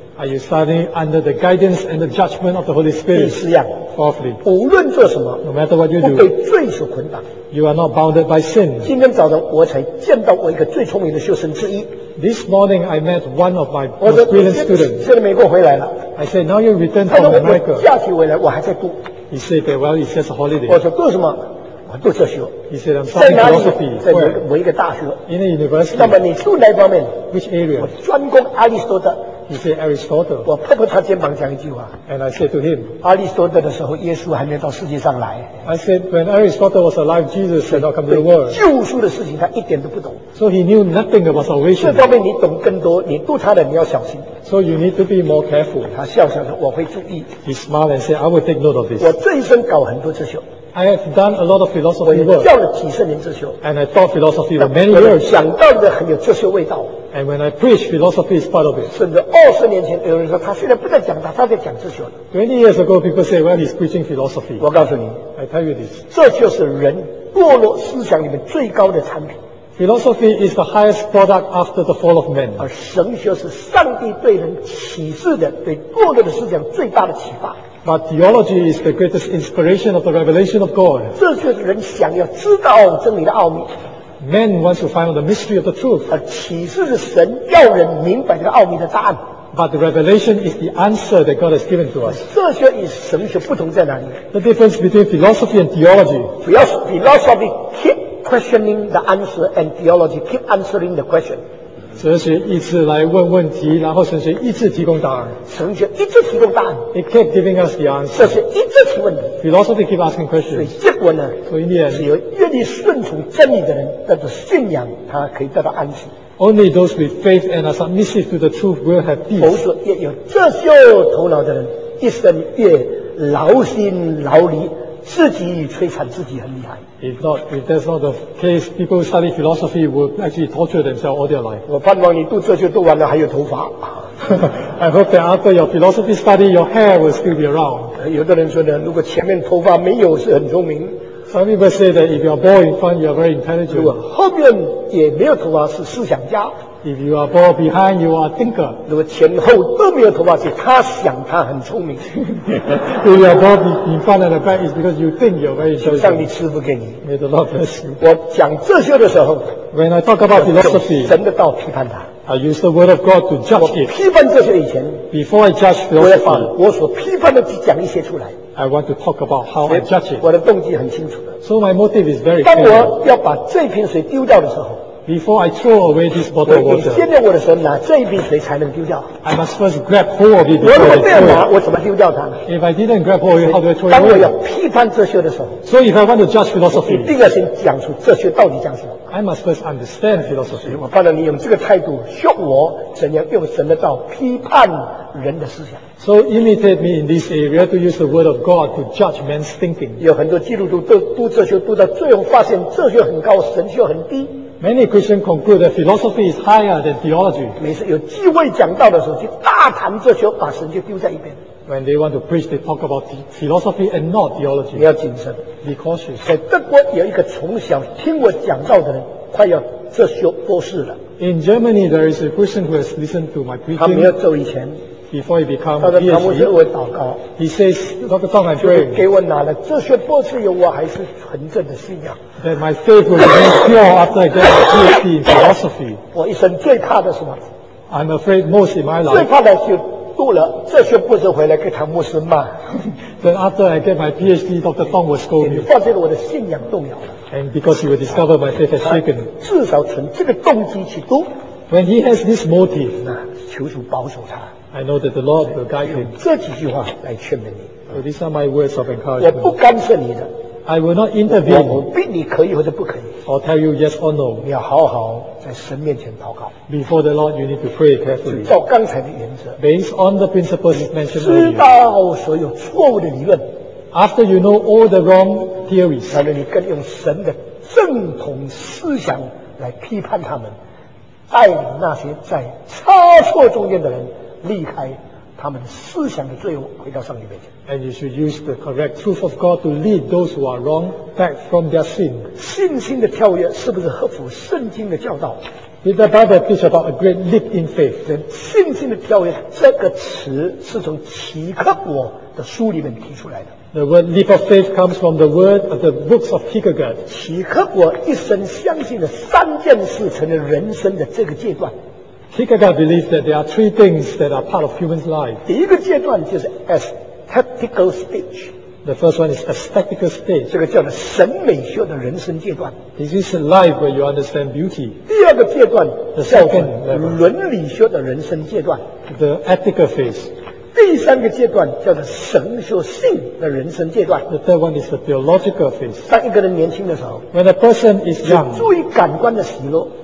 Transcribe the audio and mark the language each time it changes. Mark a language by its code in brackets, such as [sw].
[en] Are you studying under the guidance and the judgment of the Holy Spirit? [zh] 第四样 [en] ，Fourthly, [zh] 无论做什么 [en] ，No matter what you do, [zh] 不被罪所捆绑。 [en] You are not bounded by sin. [zh] 今天早上我才见到我一个最聪明的学生之一。 [en] This morning I met one of my brilliant students. [zh] 现在美国回来了。 [en] I said, now you return from America. [zh] 假期回来我还在读。 [en] He said, well, it's just a holiday. [zh] 我说读什么？我读哲学。 [en] He said, I'm studying philosophy. [zh] 在某一个大学。 [en] In a university. [zh] 那么你住哪方面 [en] ？Which area? [zh] 我专攻阿里斯多德。 [en] He said, Aristotle. [zh] 我拍拍他肩膀讲一句话。 [en] And I said to him, [zh] 阿里斯多德的时候，耶稣还没到世界上来。 [en] I said, when Aristotle was alive, Jesus had not come to the world. [zh] 救赎的事情他一点都不懂。 [en] So he knew nothing about salvation. [zh] 这方面你懂更多，你读他的你要小心。 [en] So you need to be more careful. [zh] 他笑笑说，我会注意。 [en] He smiled and said, I will take note of this. [zh] 我这一生搞很多哲学。 [en] I have done a lot of philosophy work. [zh] 我教了几十年哲学。 [en] And I taught philosophy for many years. [zh] 讲到的很有哲学味道。 [en] And when I preach, philosophy is part of it. [zh] 甚至二十年前有人说他现在不在讲他，他在讲哲学了。 [en] 20 years ago, people say, well, he's preaching philosophy. [zh] 我告诉你 [en] ，I tell you this. [zh] 这就是人堕落思想里面最高的产品。 [en] Philosophy is the highest product after the fall of man. [zh] 而神学是上帝对人启示的，对堕落的思想最大的启发。 [en] But theology is the greatest inspiration of the revelation of God. [zh] 这就是人想要知道真理的奥秘。 [en] Man wants to find out the mystery of the truth. [zh] 而启示是神要人明白这个奥秘的答案。 [en] But the revelation is the answer that God has given to us. [zh] 哲学与神学不同在哪里？ [en] The difference between philosophy and theology. Philosophy keep questioning the answer and theology keep answering the question. [zh] 哲学一直来问问题，然后神学一直提供答案。神学一直提供答案。 [en] It kept giving us the answer. [zh] 哲学一直提问题。 [en] Philosophy keep asking questions. [zh] 所以结果呢？所以呢？只有愿意顺从真理的人，带着信仰，他可以得到安息。 [en] Only those with faith and are submissive to the truth will have peace. [zh] 否则，越有哲学头脑的人，一生越劳心劳力。自己摧残自己很厉害。 [en] If that's not the case, people who study philosophy will actually torture themselves all their life. [zh] 我盼望你读哲学读完了还有头发。 [en] I hope that after your philosophy study, your hair will still be around. [zh] 有的人说呢，如果前面头发没有是很聪明。 [en] Some people say that if you are born in front, you are very intelligent. [zh] 后面也没有头发是思想家。 [en] If you are born behind, you are thinker. [zh] 如果前后都没有头发是他想他很聪明。 [en] If you are born in front and the back, it's because you think you are very intelligent. [zh] 上帝赐福给你。 [en] May the Lord bless you. [zh] 我讲这些的时候 [en] When I talk about philosophy, [zh] 神的道批判他。 [en] I use the word of God to judge it. [zh] 我批判这些以前 [en] Before I judge philosophy, [zh] 我要把我所批判的去讲一些出来。 [en] I want to talk about how I judge it. [zh] 我的动机很清楚的。 [en] So my motive is very clear. [zh] 当我要把这瓶水丢掉的时候 [en] Before I throw away this bottle of water. [zh] 我先用我的手拿这一瓶水才能丢掉。 [en] I must first grab hold of it before I throw it. [zh] 我如果没有拿，我怎么丢掉它呢？ [en] If I didn't grab hold of it, how do I throw it away? [zh] 当我要批判哲学的时候 [en] So if I want to judge philosophy, [zh] 一定要先讲出哲学到底讲什么。 [en] I must first understand philosophy. [zh] 我盼望你用这个态度学我怎样用神的道批判人的思想。 [en] So imitate me in this area to use the word of God to judge man's thinking. [zh] 有很多基督徒都读哲学，读到最后发现哲学很高，神学很低。 [en] Many Christians conclude that philosophy is higher than theology. [zh] 每次有机会讲道的时候，就大谈哲学，把神就丢在一边。 [en] When they want to preach, they talk about philosophy and not theology. [zh] 你要谨慎。 [en] Be cautious. [zh] 在德国有一个从小听我讲道的人，快要哲学博士了。 [en] In Germany, there is a Christian who has listened to my preaching. [zh] 他没有走以前。 [en] Before he become a PhD, [zh] 他为我祷告。 [en] He says, Dr. Tom, I pray. [zh] 给我拿了哲学博士以后，我还是纯正的信仰。 [en] That my faith will remain pure after I get a PhD in philosophy. [zh] 我一生最怕的是什么？ [en] I'm afraid most in my life. [zh] 最怕的是读了哲学博士回来给唐牧师骂。 [en] Then after I get my PhD, Dr. Tom will scold me. [zh] 你发现我的信仰动摇了。 [en] And because you will discover my faith has shaken. [zh] 至少从这个动机去读。 [en] When he has this motive, [zh] 那求主保守他。 [en] I know that the Lord will guide him. [zh] 这几句话来劝勉你。 [en] So these are my words of encouragement. [zh] 我不干涉你的。 [en] I will not intervene. [zh] 我逼你可以或者不可以。 [en] I'll tell you yes or no. [zh] 你要好好在神面前祷告。 [en] Before the Lord, you need to pray carefully. [zh] 照刚才的原则。 [en] Based on the principles mentioned earlier. [zh] 知道所有错误的理论。 [en] After you know all the wrong theories. [zh] 然后你更用神的正统思想来批判他们，带领那些在差错中间的人。离开他们思想的罪恶，回到上帝面前。 [en] And you should use the correct truth of God to lead those who are wrong back from their sin. [zh] 信心的跳跃是不是合乎圣经的教导？ [en] Did the Bible teach about a great leap in faith? [zh] 信心的跳跃这个词是从齐克果的书里面提出来的。 [en] The word leap of faith comes from the word of the books of Kierkegaard. [zh] 齐克果一生相信的三件事成了人生的这个阶段。 [en] Kierkegaard believes that there are three things that are part of human's life. [zh] 第一个阶段就是 [en] aesthetical stage. The first one is aesthetical stage. [zh] 这个叫做审美学的人生阶段。 [en] This is a life where you understand beauty. [zh] 第二个阶段叫做伦理学的人生阶段。 [en] The ethical phase. [zh] 第三个阶段叫做神学性的人生阶段。 [en] The third one is the theological phase. [zh] 当一个人年轻的时候 [en] When a person is young, [zh] 注意感官的喜乐。